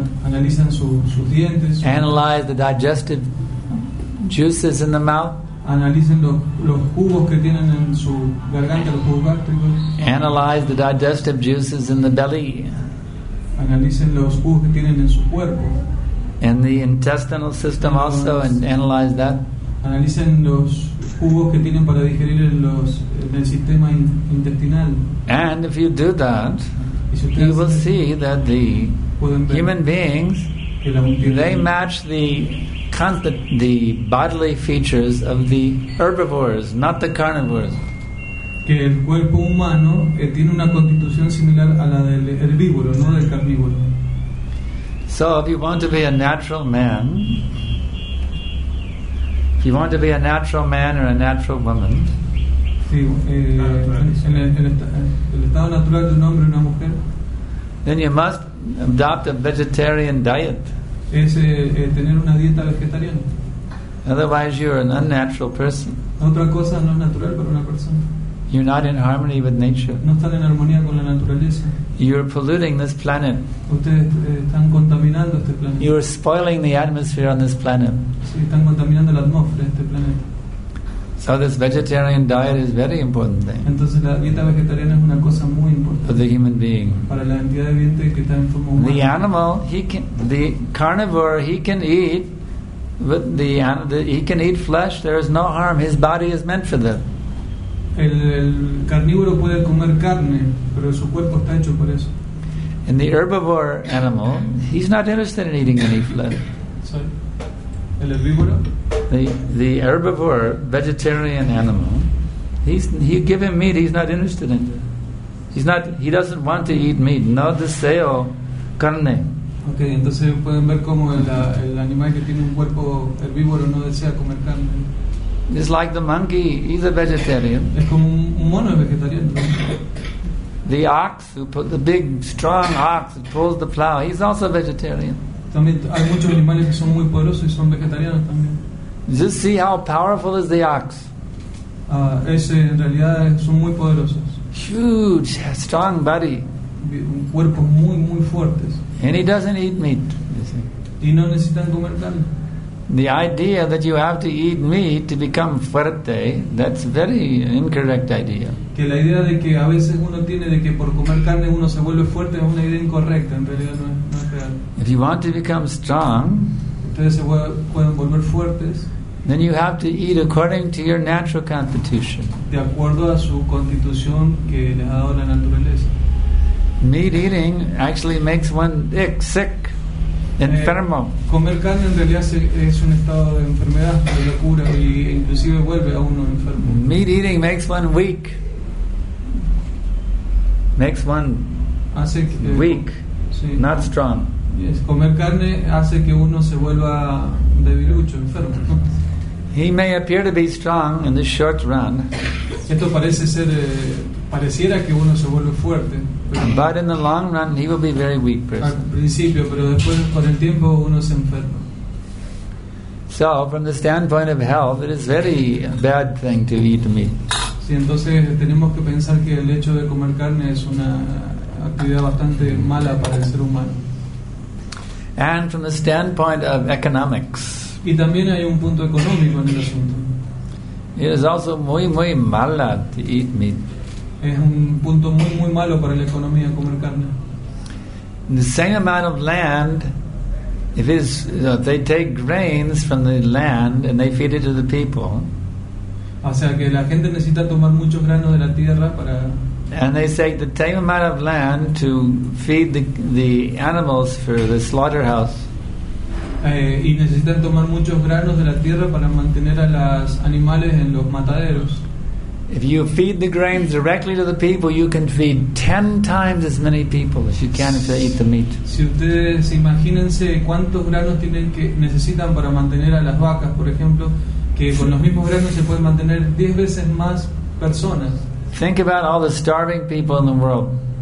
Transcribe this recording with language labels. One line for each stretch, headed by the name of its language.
Spanish: Analizan sus dientes.
English: Analyze the digestive juices in the mouth.
Spanish: Analicen los jugos que tienen en su garganta, los jugos gástricos.
English: Analyze the digestive juices in the belly.
Spanish: Analicen los jugos que tienen en su cuerpo.
English: And the intestinal system also, and analyze that.
Spanish: Analicen los jugos que tienen para digerir en el sistema intestinal.
English: And if you do that, you will see that the human beings, they match the bodily features of the herbivores, not the carnivores.
Spanish: Que el cuerpo humano tiene una constitución similar a la del herbívoro, no del carnívoro.
English: So if you want to be a natural man, if you want to be a natural man or a natural woman, then you must adopt a vegetarian diet.
Spanish: Tener una dieta vegetariana.
English: Otherwise you are an unnatural person.
Spanish: Otra cosa no es natural para una persona.
English: You're not in harmony with nature.
Spanish: No están en armonía con la naturaleza.
English: You're polluting this planet.
Spanish: Están contaminando este planeta.
English: You're spoiling the atmosphere on this planet.
Spanish: Sí, están contaminando la atmósfera este planeta.
English: So this vegetarian diet is very important thing.
Spanish: Entonces la dieta vegetariana es una cosa muy importante.
English: For the human being.
Spanish: Para la entidad viviente que está en forma humana.
English: The animal, the carnivore, he can eat, but he can eat flesh. There is no harm. His body is meant for that.
Spanish: El carnívoro puede comer carne, pero su cuerpo está hecho por eso.
English: And the herbivore animal, he's not interested in eating any flesh.
Spanish: Sorry. El herbívoro.
English: The herbivore vegetarian animal, he give him meat, he's not interested in it. He doesn't want to eat meat.
Spanish: No deseo carne. Okay, entonces pueden ver cómo el animal que tiene un cuerpo herbívoro no desea comer carne.
English: It's like the monkey, he's a vegetarian.
Spanish: Es como un mono vegetariano.
English: The ox, the big strong ox that pulls the plow, he's also a vegetarian.
Spanish: También hay muchos animales que son muy poderosos y son vegetarianos también.
English: Just see how powerful is the ox.
Spanish: Ese en realidad son muy poderosos.
English: Huge, strong body.
Spanish: Un cuerpo muy, muy fuerte.
English: And he doesn't eat meat, you see.
Spanish: Y no necesitan comer carne.
English: The idea that you have to eat meat to become fuerte, that's very incorrect idea.
Spanish: Que la idea de que a veces uno tiene de que por comer carne uno se vuelve fuerte es una idea incorrecta, en realidad no es real.
English: If you want to become strong,
Spanish: ustedes se pueden volver fuertes,
English: then you have to eat according to your natural constitution.
Spanish: De acuerdo a su constitución que le ha dado la naturaleza.
English: Meat eating actually makes one sick. Enfermo.
Spanish: Comer carne en realidad es un estado de enfermedad, de locura, y inclusive vuelve a uno enfermo.
English: Meat eating makes one weak. Makes one
Spanish: hace que,
English: weak,
Spanish: sí,
English: not strong. Yes.
Spanish: Comer carne hace que uno se vuelva debilucho, enfermo.
English: He may appear to be strong in the short run.
Spanish: Esto parece ser, pareciera que uno se vuelve fuerte.
English: But in the long run, he will be a very weak person.
Spanish: Al principio, pero después, con el tiempo, uno se enferma.
English: So, from the standpoint of health, it is very bad thing to eat meat.
Spanish: Sí, entonces tenemos que pensar que el hecho de comer carne es una actividad bastante mala para el ser humano.
English: And from the standpoint of economics.
Spanish: Y también hay un punto económico en el asunto.
English: It is also
Spanish: muy, muy mala
English: to eat meat.
Spanish: Es un punto muy muy malo para la economía comer carne.
English: The same amount of land, if it's, you know, they take grains from the land and they feed it to the people.
Spanish: O sea que la gente necesita tomar muchos granos de la tierra para.
English: And they take the same amount of land to feed the animals for the slaughterhouse.
Spanish: Y necesitan tomar muchos granos de la tierra para mantener a los animales en los mataderos.
English: If you feed the grains directly to the people, you can feed 10 times as many people as you can if they eat the meat.
Spanish: Si ustedes imagínense cuántos granos necesitan para mantener a las vacas, por ejemplo, que con los mismos granos se pueden mantener 10 veces más personas.
English: Think about all the starving people in the world.